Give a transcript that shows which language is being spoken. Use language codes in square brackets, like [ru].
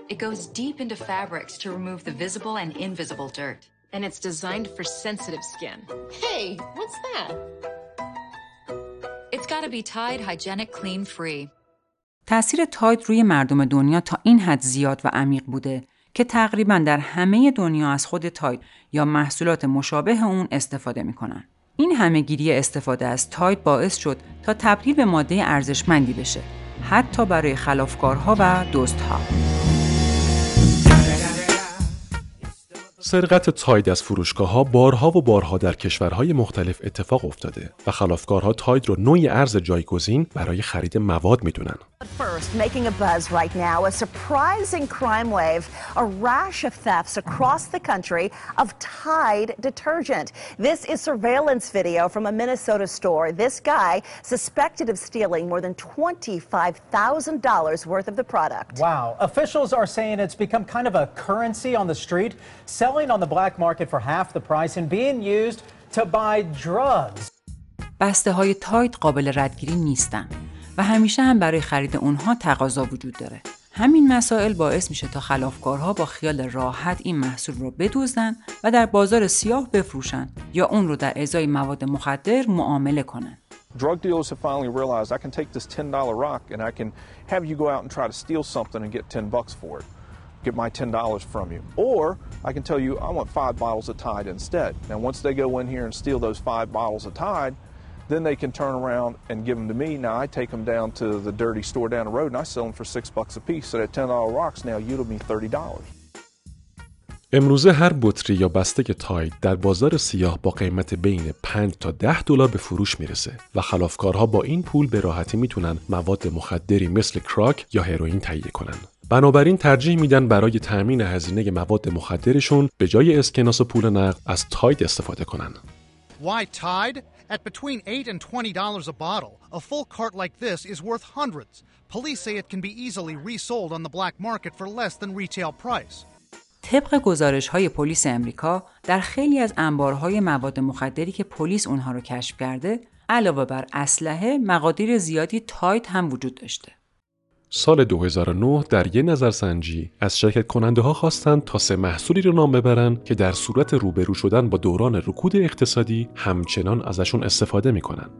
[en] It goes deep into fabrics to remove the visible and invisible dirt, and it's designed for sensitive skin. Hey, what's that? It's got to be Tide Hygienic Clean Free. [fa] تأثیر تاید روی مردم دنیا تا این حد زیاد و عمیق بوده که تقریباً در همه دنیا از خود تاید یا محصولات مشابه اون استفاده می‌کنن. این همه‌گیری استفاده از تاید باعث شد تا تبدیل به ماده ارزشمندی بشه، حتی برای خلافکارها و دزدها. سرقت تاید از فروشگاه‌ها بارها و بارها در کشورهای مختلف اتفاق افتاده و خلافکارها تاید رو نوعی ارز جایگزین برای خرید مواد می‌دونن. [en] First, making a buzz right now, a surprising crime wave, a rash of thefts across the country of Tide detergent. This is surveillance video from a Minnesota store. This guy suspected of stealing more than $25,000 worth of the product. Wow. Officials are saying it's become kind of a currency on the street, selling on the black market for half the price and being used to buy drugs. [fa] بسته های تاید قابل ردگیری نیستن و همیشه هم برای خرید اونها تقاضا وجود داره. همین مسائل باعث میشه تا خلافکارها با خیال راحت این محصول رو بدوزن و در بازار سیاه بفروشن یا اون رو در ازای مواد مخدر معامله کنن. [en] Drug dealers have finally realized I can take this $10 rock and I can have you go out and try to steal something and get 10 bucks for it. Get my $10 from you. Or I can tell you I want 5 bottles of Tide instead. Now once they go in here and steal those 5 bottles of Tide, then they can turn around and give them to me. Now I take them down to the dirty store down the road and I sell them for 6 bucks a piece. So that $10 rocks now yield me $30. [fa] امروزه هر بطری یا بسته تاید در بازار سیاه با قیمت بین 5 تا 10 دلار به فروش میرسه و خلافکارها با این پول به راحتی میتونن مواد مخدری مثل کراک یا هروئین تهیه کنن. بنابراین ترجیح میدن برای تامین هزینه مواد مخدرشون به جای اسکناس و پول نقد از تاید استفاده کنن. [en] Why Tide? At between $8 and $20 a bottle, a full cart like this is worth hundreds. Police say it can be easily resold on the black market for less than retail price. [fa] طبق گزارش‌های پلیس آمریکا، در خیلی از انبارهای مواد مخدری که پلیس اونها رو کشف کرده، علاوه بر اسلحه، مقادیر زیادی تاید هم وجود داشته. سال 2009 در یه نظرسنجی از شرکت کننده ها خواستند تا سه محصولی رو نام ببرن که در صورت روبرو شدن با دوران رکود اقتصادی همچنان ازشون استفاده میکنن.